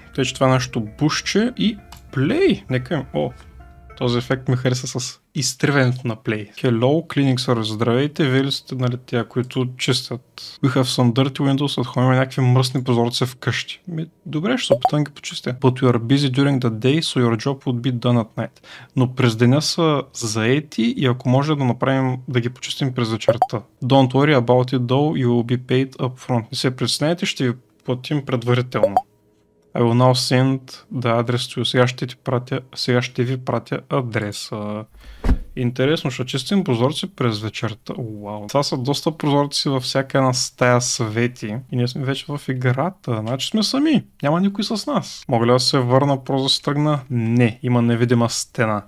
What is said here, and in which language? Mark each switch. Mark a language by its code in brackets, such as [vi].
[bg] Тъй, че това е нашето бушче и Play. Нека им... О, този ефект ми хареса с изтривенето на Play. [en] Hello, cleaning service. [bg] Здравейте, вие ли сте, нали, тя, които чистят? [en] We have some dirty windows at home, [bg] има някакви мръсни прозорци в къщи. Ми, добре, ще се опитам ги почистя. [en] But you are busy during the day, so your job would be done at night. [bg] Но през деня са заети и ако може да направим да ги почистим през вечерта. [en] Don't worry about it though, you will be paid up front. [bg] Не се преснете, ще ви платим предварително. [en] I will now send the address to you. [bg] Сега ще ви пратя адреса. Интересно, ще чистим прозорци през вечерта. Уау. Това са доста прозорци във всяка една стая свети. И ние сме вече в играта. Значи сме сами. Няма никой с нас. Мога ли да се върна прозор с тръгна? Не. Има невидима стена.